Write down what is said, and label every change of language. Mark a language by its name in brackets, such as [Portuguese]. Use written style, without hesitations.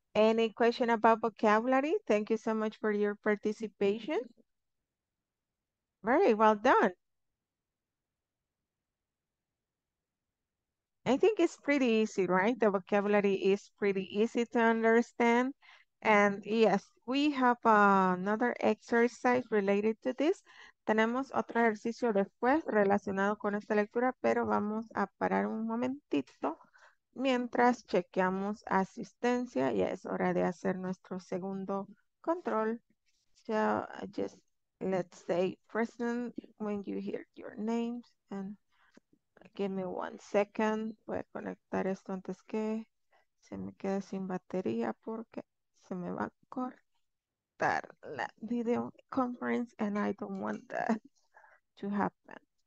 [English] Any question about vocabulary? Thank you so much for your participation. Very well done. I think it's pretty easy, right? The vocabulary is pretty easy to understand. And yes, we have another exercise related to this. [Spanish] Tenemos otro ejercicio después relacionado con esta lectura, pero vamos a parar un momentito. Mientras chequeamos asistencia, ya es hora de hacer nuestro segundo control. [English] So, just let's say present when you hear your names. [Spanish] And give me 1 second. Voy a conectar esto antes que se me quede sin batería porque se me va a cortar la video conference and I don't want that to happen.